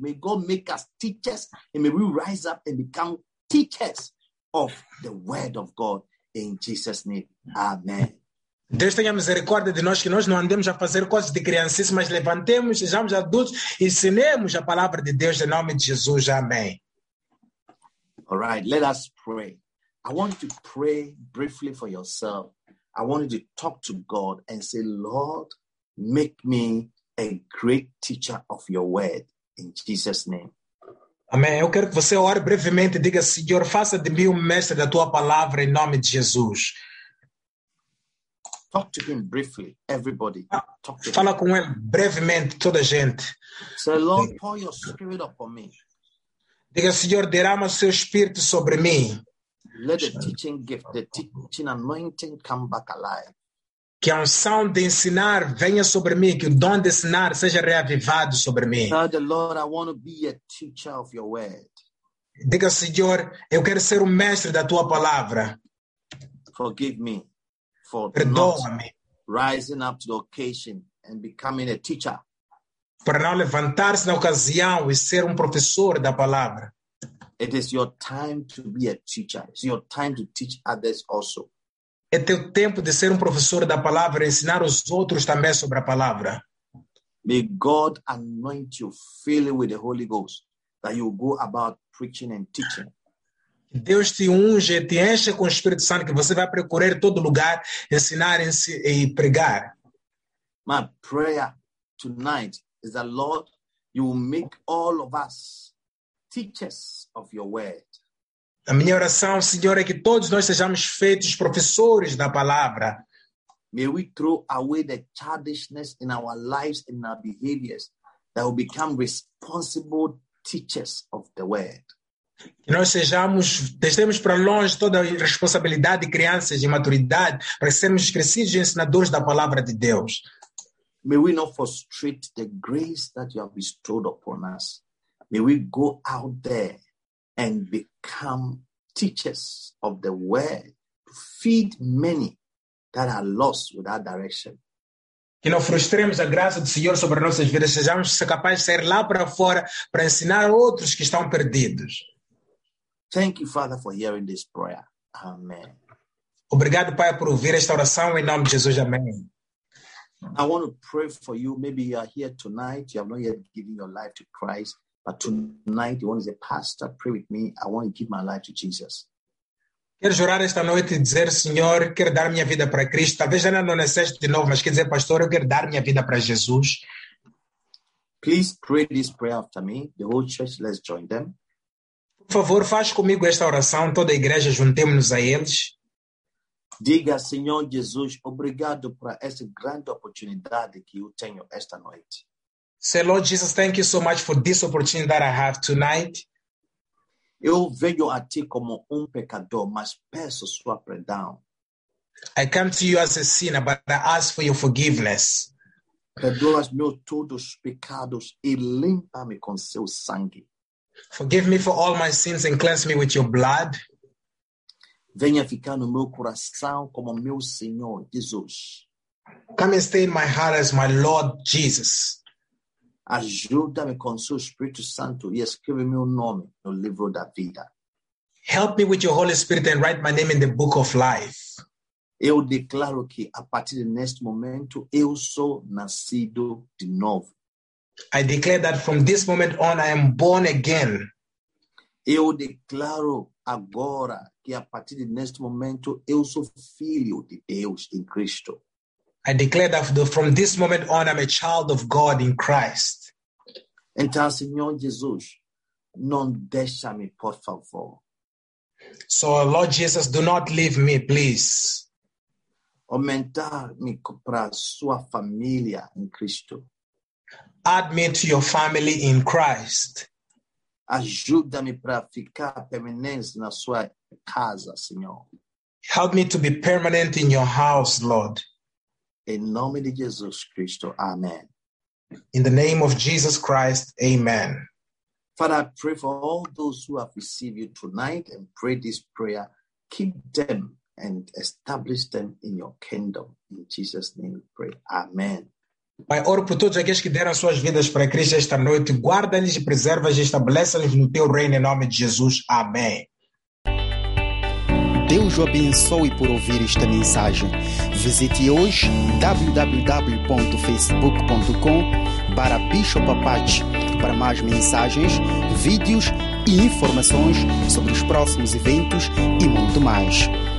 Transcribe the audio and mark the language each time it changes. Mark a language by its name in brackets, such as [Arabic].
[English] May God make us teachers and may we rise up and become teachers of the word of God. In Jesus' name, amen. [Portuguese] Deus tenha misericórdia de nós, que nós não andemos a fazer coisas de criancice, mas levantemos, sejamos adultos, ensinemos a palavra de Deus, em nome de Jesus. Amém. [English] All right, let us pray. I want you to pray briefly for yourself. I want you to talk to God and say, Lord, make me a great teacher of your word, in Jesus' name. [Portuguese] Amém. Eu quero que você ore brevemente e diga, Senhor, faça de mim um mestre da tua palavra, em nome de Jesus. [English] Talk to him briefly, everybody. Talk to [Portuguese] Fala [English] him. [Portuguese] Com ele brevemente, toda a gente. [English] Say, Lord, pour your spirit upon me. [Portuguese] Diga, Senhor, derrama o seu espírito sobre mim. [English] Let the teaching gift, the teaching anointing come back alive. [Portuguese] Que a unção de ensinar venha sobre mim, que o dom de ensinar seja reavivado sobre mim. [English] Tell the Lord, I want to be a teacher of your word. [Portuguese] Diga, Senhor, eu quero ser um mestre da tua palavra. [English] Forgive me. [Portuguese] Perdoa-me. [English] Rising up to the occasion and becoming a teacher. [Portuguese] Para não levantar-se na ocasião e ser professor da palavra. [English] It is your time to be a teacher. It's your time to teach others also. [Portuguese] É teu tempo de ser professor da palavra e ensinar os outros também sobre a palavra. [English] May God anoint you, fill you with the Holy Ghost, that you go about preaching and teaching. [Portuguese] Deus te unge, te enche com o Espírito Santo, que você vai procurar todo lugar, ensinar e pregar. [English] My prayer tonight is that, Lord, you will make all of us teachers of your word. [Portuguese] A minha oração, Senhor, é que todos nós sejamos feitos professores da palavra. [English] May we throw away the childishness in our lives and in our behaviors that will become responsible teachers of the word. [Portuguese] Que nós sejamos, deixemos para longe toda a responsabilidade de crianças e maturidade para sermos crescidos e ensinadores da palavra de Deus. [English] May we not frustrate the grace that you have bestowed upon us. May we go out there and become teachers of the word to feed many that are lost without direction. [Portuguese] Que não frustremos a graça do Senhor sobre as nossas vidas, sejamos capazes de sair lá para fora para ensinar outros que estão perdidos. [English] Thank you, Father, for hearing this prayer. Amen. [Portuguese] Obrigado, Pai, por ouvir esta oração em nome de Jesus. Amém. [English] I want to pray for you. Maybe you are here tonight. You have not yet given your life to Christ. But tonight, you want to say, Pastor, pray with me. I want to give my life to Jesus. [Portuguese] Quero jurar esta noite e dizer, Senhor, quero dar minha vida para Cristo. Talvez ainda não necessite de novo, mas quer dizer, Pastor, eu quero dar minha vida para Jesus. [English] Please pray this prayer after me. The whole church, let's join them. [Portuguese] Por favor, faz comigo esta oração. Toda a igreja, juntemos-nos a eles. Diga, Senhor Jesus, obrigado por essa grande oportunidade que eu tenho esta noite. [English] Say, Lord Jesus, thank you so much for this opportunity that I have tonight. [Portuguese] Eu venho a ti como pecador, mas peço sua perdão. [English] I come to you as a sinner, but I ask for your forgiveness. [Portuguese] Perdoa-me todos os pecados e limpa-me com seu sangue. [English] Forgive me for all my sins and cleanse me with your blood. [Portuguese] Venha ficar no meu coração como meu Senhor Jesus. [English] Come and stay in my heart as my Lord Jesus. [Portuguese] Ajuda-me com seu Espírito Santo e escreve meu nome no livro da vida. [English] Help me with your Holy Spirit and write my name in the book of life. [Portuguese] Eu declaro que a partir deste momento eu sou nascido de novo. [English] I declare that from this moment on I am born again. [Portuguese] Eu declaro agora que a partir deste momento eu sou filho de Deus em Cristo. [English] I declare that from this moment on I'm a child of God in Christ. [Portuguese] Então, Senhor Jesus, não deixa-me, por favor. [English] So, Lord Jesus, do not leave me, please. [Portuguese] Aumentar-me para sua família em Cristo. [English] Add me to your family in Christ. [Portuguese] Ajuda-me para ficar permanente na sua casa, Senhor. [English] Help me to be permanent in your house, Lord. [Portuguese] Em nome de Jesus Cristo, amém. [English] In the name of Jesus Christ, amen. Father, I pray for all those who have received you tonight and pray this prayer. Keep them and establish them in your kingdom. In Jesus' name we pray, amen. [Portuguese] Pai, oro por todos aqueles que deram suas vidas para Cristo esta noite. Guarda-lhes e preserva-lhes e estabeleça-lhes no teu reino em nome de Jesus. Amém. Deus o abençoe por ouvir esta mensagem. Visite hoje www.facebook.com/bishopapache para mais mensagens, vídeos e informações sobre os próximos eventos e muito mais.